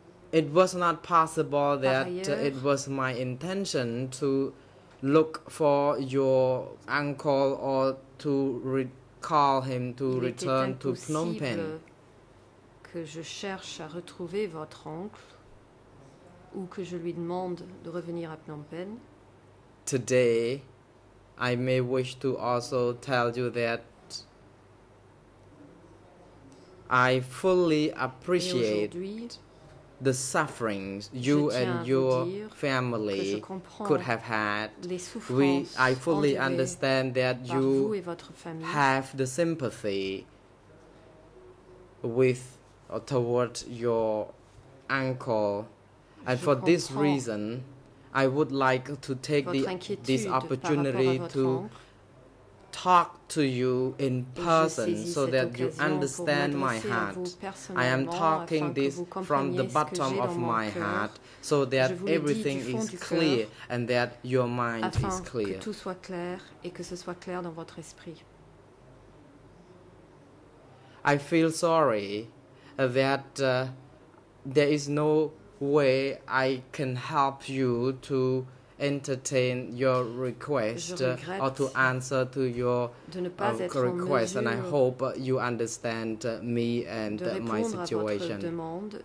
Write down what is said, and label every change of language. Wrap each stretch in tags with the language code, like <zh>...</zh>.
<en>It was not possible that it was my intention to look for your uncle or to recall him to return to Phnom Penh.</en> <fr>Que je cherche à retrouver votre oncle ou que je lui demande de revenir à Phnom Penh.</fr> <en>Today, I may wish to also tell you that I fully appreciate the sufferings you and your family could have had. I fully understand that you have the sympathy with or toward your uncle. And for this reason, I would like to take this opportunity to talk to you in person so that you understand my heart. I am talking this from the bottom of my heart so that everything is clear and that your mind is clear.</en> <fr>Que tout soit clair et que ce soit clair dans votre esprit.</fr> <en>I feel sorry that there is no way I can help you to entertain your request or to answer to your request, and I hope you understand me and my situation.</en>